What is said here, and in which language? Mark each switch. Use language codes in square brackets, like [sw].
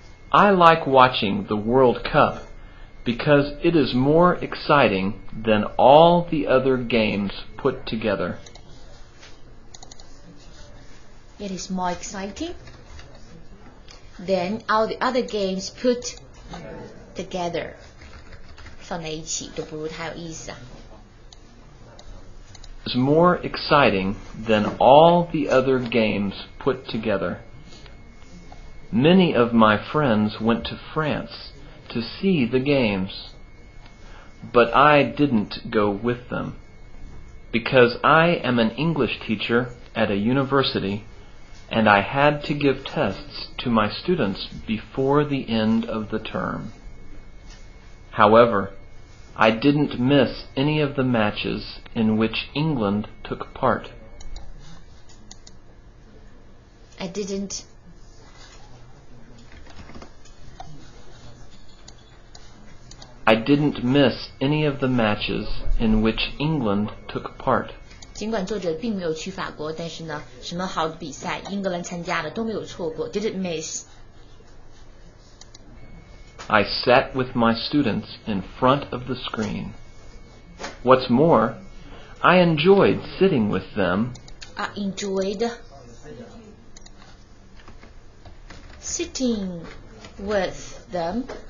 [en] I like watching the World Cup because it is more exciting than all the other games put together. It is more exciting than all the other games put together. [zh] 放在一起都不如它有意思啊。 [en] It's more exciting than all the other games put together. Many of my friends went to France to see the games. But I didn't go with them. Because I am an English teacher at a university, and I had to give tests to my students before the end of the term. However, I didn't miss any of the matches in which England took part. I didn't. I didn't miss any of the matches in which England took part. [zh] 尽管作者并没有去法国，但是呢，什么好的比赛，英格兰参加的都没有错过。 [en] Didn't miss. I sat with my students in front of the screen. What's more, I enjoyed sitting with them. I enjoyed sitting with them.